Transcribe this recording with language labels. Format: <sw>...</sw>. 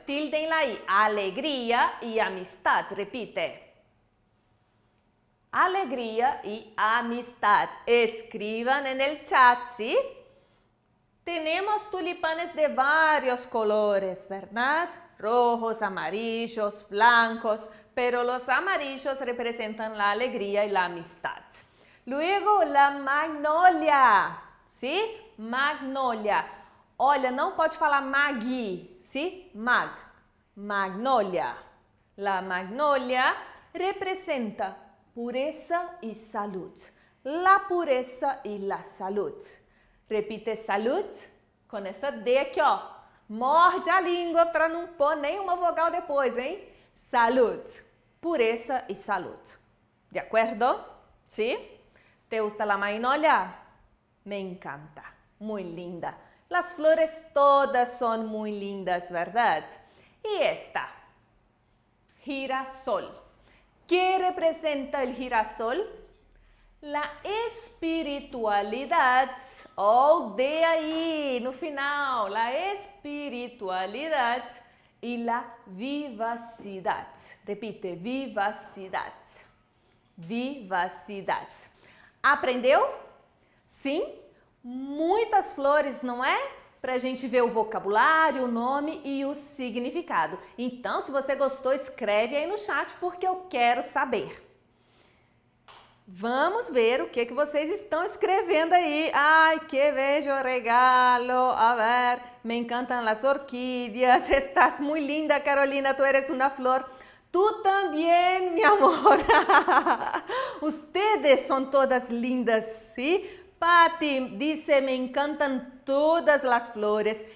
<pt>Tildem lá i. Alegria e amistad, repite. Alegria e amistad. Escrevam no chat, sim? Temos tulipanes de vários colores, verdade?</pt> <es>Rojos, amarillos, blancos. Pero los amarillos representan la alegría y la amistad. Luego, la magnolia. ¿Sí? Magnolia.</es> <pt>Olha, não pode falar magi.</pt> <es>¿Sí? Mag. Magnolia. La magnolia representa pureza y salud. La pureza y la salud. Repite salud con esa D aquí, ó.</es> <pt>Morde a língua para não pôr nenhuma vogal depois, hein? Salud. Pureza e saúde. De acordo? Sim? ¿Sí?</pt> <es>Te gusta la magnolia? Me encanta. Muy linda. Las flores todas son muy lindas, ¿verdad?</es> <pt>E esta?</pt> <es>Girasol. ¿Qué representa el girasol? La espiritualidad. Oh,</es> <pt>de aí, no final.</pt> <es>La espiritualidad. E la vivacidad. Repite, vivacidad. Vivacidad.</es> <pt>Aprendeu? Sim? Muitas flores, não é? Pra gente ver o vocabulário, o nome e o significado. Então, se você gostou, escreve aí no chat porque eu quero saber. Vamos ver o que vocês estão escrevendo aí.</pt> <es>Ai, que bello regalo. A ver, me encantan las orquídeas. Estás muy linda, Carolina. Tú eres una flor. Tú también, mi amor. Ustedes son todas lindas, ¿sí? Patty dice, me encantan todas las flores.</es>